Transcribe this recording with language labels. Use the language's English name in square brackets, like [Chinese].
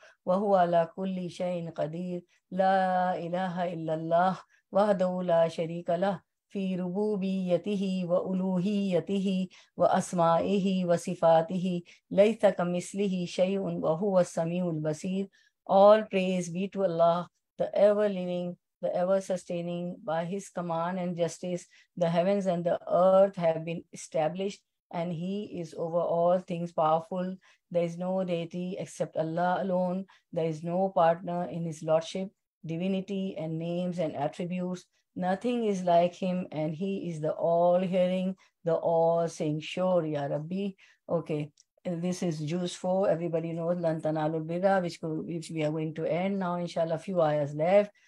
[Arabic] وہو علی کل شیء قدیر لا الہ الا اللہ وحدہ لا شریک لہ فی ربوبیتہ و الوہیتہ و اسمائہ و صفاتہ لیس کمثلہ شیء و ہو السمیع البصیر. [English] All praise be to Allah the ever living the ever sustaining. By his command and justice the heavens and the earth have been established and he is over all things powerful. There is no deity except Allah alone. There is no partner in his lordship divinity and names and attributes. Nothing is like him and he is the all hearing, the all saying, sure, ya Rabbi. Okay, this is juice 4. Everybody knows [Arabic] lan tanalul birra, [English] which we are going to end now, inshallah. Few ayahs left.